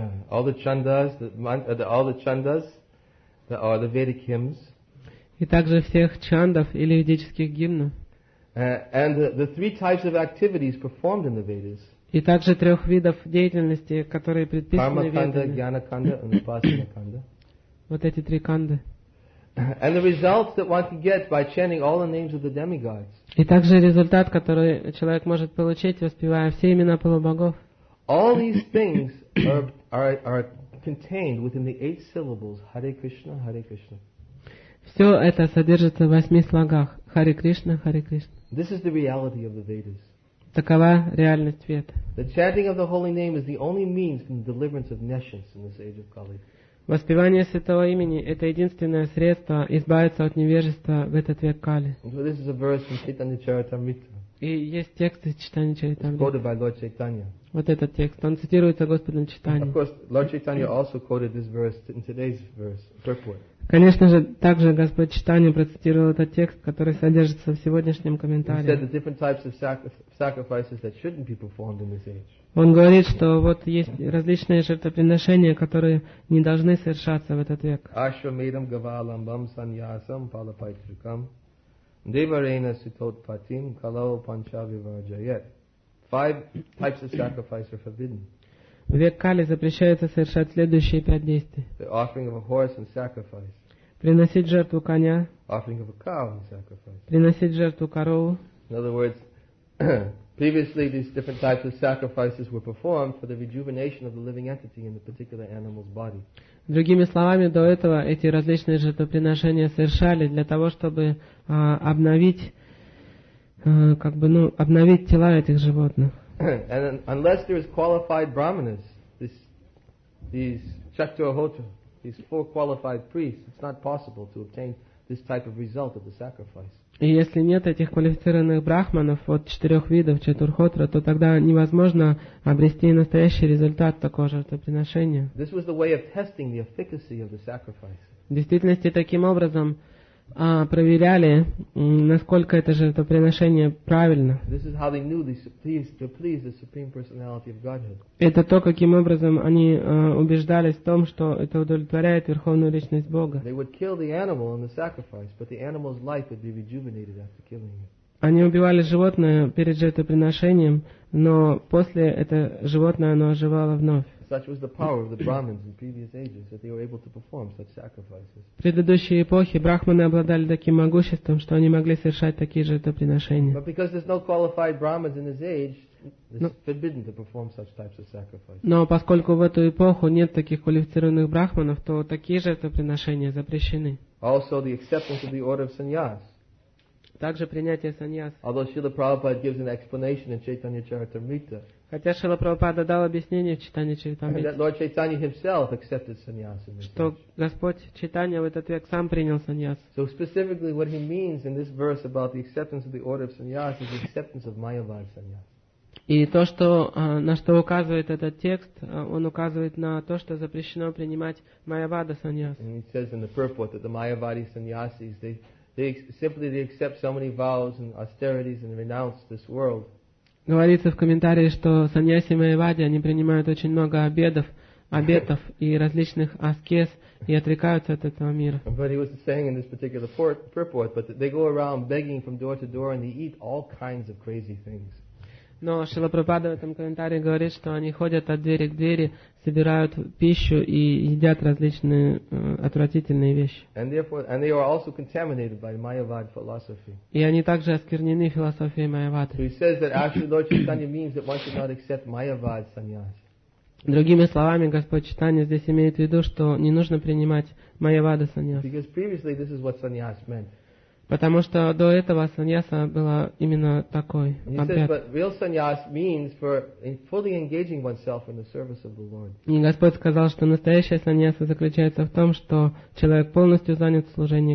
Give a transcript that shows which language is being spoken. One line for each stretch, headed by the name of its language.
English: All the chandas, all the chandas that are the Vedic hymns.
Russian: И также всех чандов или ведических гимнов.
English: And the three types of activities performed in the Vedas.
Russian: И также трех видов деятельности, которые предписаны Ведами. Кармаканда, Гьянаканда и Упасанаканда. Вот эти три канды.
English: And the results that one can get by chanting all the names of the demigods.
Russian: И также результат, который человек может получить, воспевая все имена полубогов.
English: All these things are contained within the eight syllables Hare Krishna, Hare Krishna.
Russian: Все это содержится в восьми слогах Hare Krishna, Hare Krishna.
English: This is the reality of the Vedas.
Russian: Такова реальность Вед.
English: The chanting of the holy name is the only means for the deliverance of nations in this age of Kali.
Russian: Воспевание святого имени – это единственное средство избавиться от невежества в этот век Кали.
English: So this is a verse from Chaitanya Charitamrita.
Russian: И есть текст из Читания Чайтанья.
English: Quoted by Lord Chaitanya.
Russian: Вот этот текст, он цитируется Господом Читанья.
English: Of course, Lord Chaitanya also quoted this verse in today's verse, purport.
Russian: Конечно же, также Господь Читанья процитировал этот текст, который содержится в сегодняшнем комментарии.
English: He said the different types of sacrifices that shouldn't be performed in this age.
Russian: Он говорит, что вот есть различные жертвоприношения, которые не должны совершаться в этот век.
Sanskrit: Ашвамедам гавалламбам саньясам палапайтрикам деварена ситотпатим калау панчавиварджаят.
English: Five types of sacrifice are forbidden.
Russian: В век Кали запрещается совершать следующие пять действий.
English: The offering of a horse and sacrifice.
Russian: Приносить жертву коня.
English: Offering of a cow and sacrifice.
Russian: Приносить жертву корову.
English: In other words, previously these different types of sacrifices were performed for the rejuvenation of the living entity in the particular animal's body.
Russian: Другими словами, до этого эти различные жертвоприношения совершали для того, чтобы обновить тела этих животных.
English: And unless there is qualified brahmanas, these chaturahota, these four qualified priests, it's not possible to obtain this type of result of the sacrifice.
Russian: И если нет этих квалифицированных брахманов от четырех видов четурхотра, то тогда невозможно обрести настоящий результат такого жертвоприношения.
English: This was the way of testing the efficacy of the sacrifice.
Russian: В действительности таким образом проверяли, насколько это жертвоприношение правильно.
English: This is how they knew to please the Supreme Personality of Godhead.
Russian: Это то, каким образом они убеждались в том, что это удовлетворяет Верховную Личность Бога.
English: They would kill the animal in the sacrifice, but the animal's life would be rejuvenated after killing it.
Russian: Они убивали животное перед жертвоприношением, но после это животное оно оживало вновь.
English: Such was the power of the Brahmins in previous ages that they were able to perform such sacrifices.
Russian: В предыдущие эпохи брахманы обладали таким могуществом, что они могли совершать такие жертвоприношения.
English: But because there's no qualified Brahmins in this age, it's forbidden to perform such types of sacrifices.
Russian: Но поскольку в эту эпоху нет таких квалифицированных брахманов, то такие жертвоприношения запрещены.
English: Also, the acceptance of the order of sannyas.
Russian: Также принятие саньяс.
English: Although Srila Prabhupada gives an explanation in Chaitanya Charitamrita.
Russian: Хотя Шрила Прабхупада дал объяснение в Читании Чайтамрите, что Господь Чайтанья в этот век сам принял саньяс.
English: So specifically what he means in this verse about the acceptance of the order of sannyas is the acceptance of Mayavad sannyas.
Russian: И то, что, на что указывает этот текст, он указывает на то, что запрещено принимать Майявада саньяс.
English: And he says in the purport that the Mayavadi sannyasis, they simply accept so many vows and austerities and renounce this world.
Russian: Говорится в комментарии, что саньяси майявади, они принимают очень много обетов и различных аскез и отрекаются от этого мира.
English: But he was saying in this particular purport, but they go around begging from door to door and they eat all kinds of crazy things.
Russian: Но Шрила Прабхупада в этом комментарии говорит, что они ходят от двери к двери, собирают пищу и едят различные отвратительные вещи.
English: And they are also contaminated by Mayavad philosophy.
Russian: И они также осквернены философией Майявад.
English: So he says that actually Lord Chaitanya means that one should not accept Mayavad sannyas.
Russian: Другими словами, Господь Чайтанья здесь имеет в виду, что не нужно принимать Майявада саньяс.
English: Because previously this is what sannyas meant.
Russian: Потому что до этого саньяса была именно такой. И Господь сказал, что настоящая саньяса заключается в том, что человек полностью занят в служении